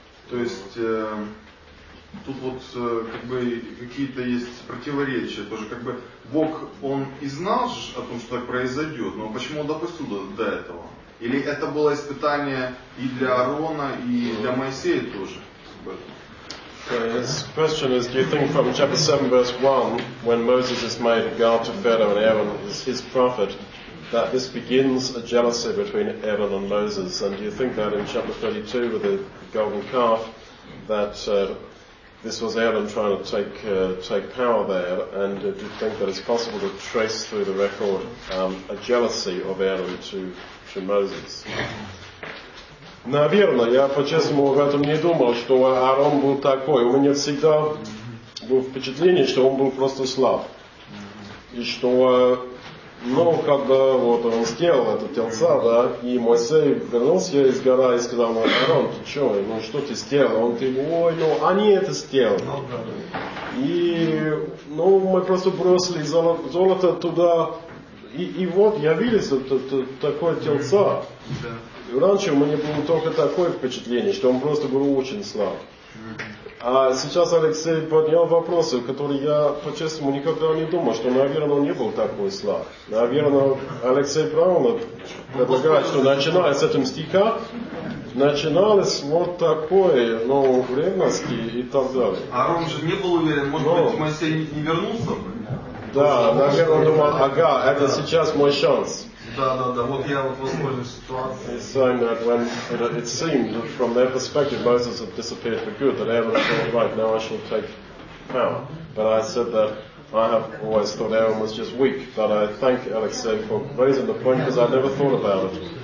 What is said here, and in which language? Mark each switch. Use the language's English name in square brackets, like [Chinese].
[Russian] То есть тут вот как бы какие-то есть противоречия тоже. Как бы Бог, он и знал же о том, что так произойдет, но почему он допустил до этого? Или это было испытание и для Аарона, и для Моисея тоже? [English] His question is, do you think from chapter 7 verse 1, when Moses is made a guard to Pharaoh and Aaron is his prophet, that this begins a jealousy between Aaron and Moses? And do you think that in chapter 32 with the golden calf, that this was Aaron trying to take power there? And do you think that it's possible to trace through the record a jealousy of Aaron to Moses? [Russian] Наверное, я по-честному об этом не думал, что Аарон был такой. У меня всегда было впечатление, что он был просто слаб. И что, ну, когда вот он сделал это тельца, да, и Моисей вернулся из горы и сказал: ну, Аарон, ты что, ну что ты сделал? Он говорит: ой, ну они это сделали. И, ну, мы просто бросили золото туда, и вот явились такое тельца. Раньше у меня было только такое впечатление, что он просто был очень слаб. А сейчас Алексей поднял вопросы, которые я, по-честному, никогда не думал, что, наверное, он не был такой слаб. Наверное, Алексей правильно предлагает, что начиная с этого стиха, начиналось вот такое, ну, ревности и так далее. Аарон же не был уверен, может быть, Моисей не вернулся бы? Да, наверное, он думал: ага, это сейчас мой шанс. Да, вот я вот воспользуюсь ситуацией. [English] He's saying that when it seemed from their perspective Moses had disappeared for good, that Aaron thought, right, now I shall take power. But I said that I have always thought Aaron was just weak, but I thank Alexei for raising the point because I never thought about it.